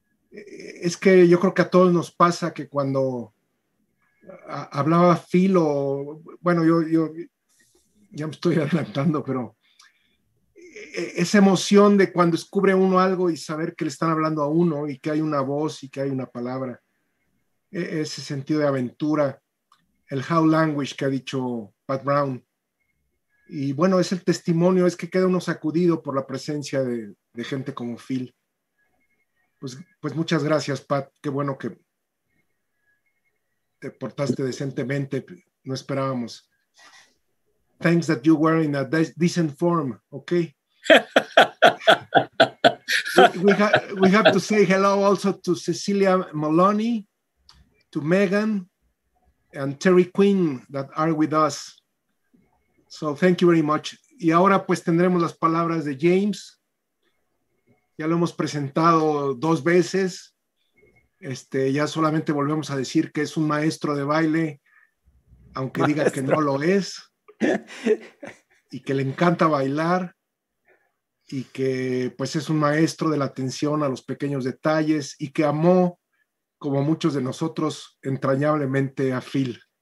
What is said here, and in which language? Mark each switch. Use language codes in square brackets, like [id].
[es] Es que yo creo que a todos nos pasa que cuando hablaba Phil, o bueno, yo ya me estoy adelantando, pero esa emoción de cuando descubre uno algo y saber que le están hablando a uno y que hay una voz y que hay una palabra, ese sentido de aventura, el [en] how language [es] que ha dicho Pat Brown. Y bueno, es el testimonio, es que queda uno sacudido por la presencia de gente como Phil. Pues muchas gracias, Pat. Qué bueno que te portaste decentemente. No esperábamos [en] thanks that you were in a decent form, okay? we have to say hello also to Cecilia Maloney, to Megan, and Terry Quinn that are with us. So thank you very much. [es] Y ahora pues tendremos las palabras de James. Ya lo hemos presentado dos veces. Ya solamente volvemos a decir que es un maestro de baile, aunque maestro. Diga que no lo es, y que le encanta bailar, y que pues es un maestro de la atención a los pequeños detalles, y que amó, como muchos de nosotros, entrañablemente a Phil.